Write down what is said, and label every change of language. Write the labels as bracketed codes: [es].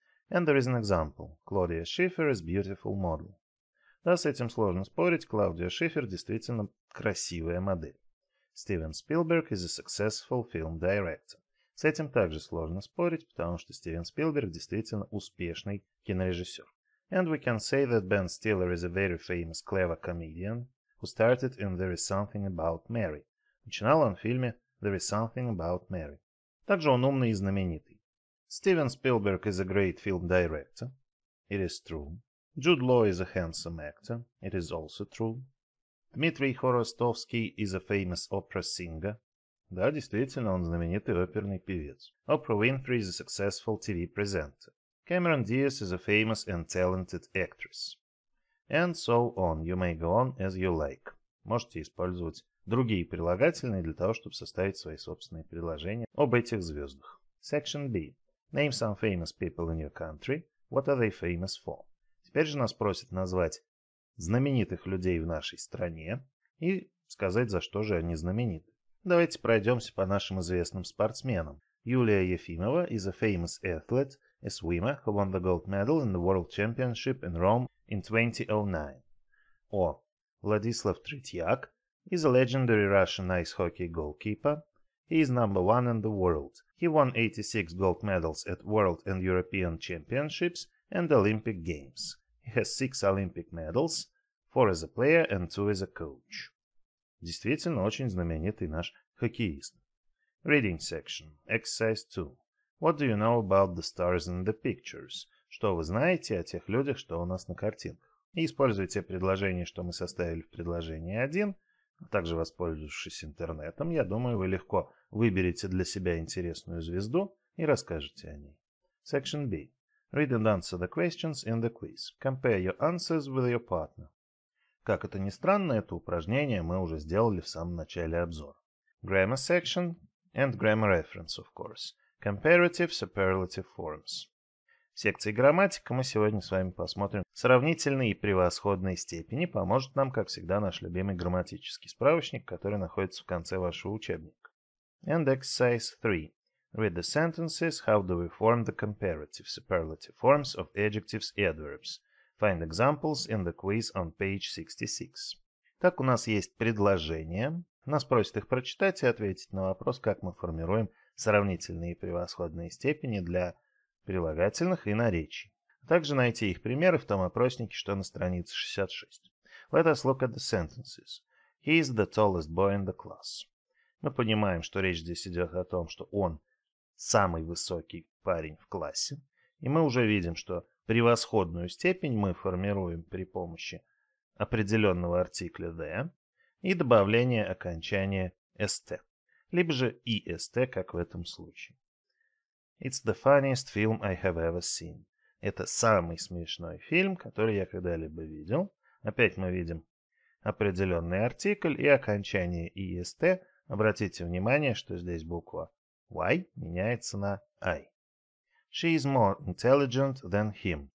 [en] And there is an example. Claudia Schiffer is beautiful model. [ru] Да, с этим сложно спорить. Клаудия Шифер действительно красивая модель. [en] Стивен Спилберг is a successful film director. [ru] С этим также сложно спорить, потому что Стивен Спилберг действительно успешный кинорежиссер. [en] And we can say that Ben Stiller is a very famous clever comedian who started in There is Something About Mary. [ru] Начинал он в фильме There is Something About Mary. Также он умный и знаменитый. [en] Стивен Спилберг is a great film director. It is true. Джуд Лоу is a handsome actor. It is also true. Дмитрий Хворостовский is a famous opera singer. [ru] Да, действительно, он знаменитый оперный певец. [en] Oprah Winfrey is a successful TV presenter. Cameron Diaz is a famous and talented actress. And so on. You may go on as you like. [ru] Можете использовать другие прилагательные для того, чтобы составить свои собственные предложения об этих звездах. [en] Section B. Name some famous people in your country. What are they famous for? [ru] Теперь же нас просят назвать знаменитых людей в нашей стране и сказать, за что же они знамениты. Давайте пройдемся по нашим известным спортсменам. [en] Юлия Ефимова is a famous athlete, a swimmer who won the gold medal in the World Championship in Rome in 2009. Or Владислав Третьяк is a legendary Russian ice hockey goalkeeper. He is number one in the world. He won 86 gold medals at World and European Championships and Olympic Games. He has 6 Olympic medals, 4 as a player and 2 as a coach. [ru] Действительно, очень знаменитый наш хоккеист. [en] Reading section. Exercise 2. What do you know about the stars in the pictures? [ru] Что вы знаете о тех людях, что у нас на картинках? И используйте предложение, что мы составили в предложении 1, а также воспользовавшись интернетом, я думаю, вы легко выберете для себя интересную звезду и расскажете о ней. [en] Section B. Read and answer the questions in the quiz. Compare your answers with your partner. [ru] Как это ни странно, это упражнение мы уже сделали в самом начале обзора. [en] Grammar section and grammar reference, of course. Comparative, superlative forms. [ru] В секции грамматика мы сегодня с вами посмотрим сравнительные и превосходные степени. Поможет нам, как всегда, наш любимый грамматический справочник, который находится в конце вашего учебника. [en] And exercise 3. Read the sentences. How do we form the comparative, superlative forms of adjectives, adverbs? Find examples in the quiz on page 66. [ru] Так, у нас есть предложения. Нас просят их прочитать и ответить на вопрос, как мы формируем сравнительные и превосходные степени для прилагательных и наречий. Также найти их примеры в том опроснике, что на странице 66. [en] Let us look at the sentences. He is the tallest boy in the class. [ru] Мы понимаем, что речь здесь идет о том, что он самый высокий парень в классе. И мы уже видим, что превосходную степень мы формируем при помощи определенного артикля «the» и добавления окончания «st», либо же «ist», как в этом случае. [en] It's the funniest film I have ever seen. [ru] Это самый смешной фильм, который я когда-либо видел. Опять мы видим определенный артикль и окончание «ist». Обратите внимание, что здесь буква «y» меняется на «i». [en] She is more intelligent than him.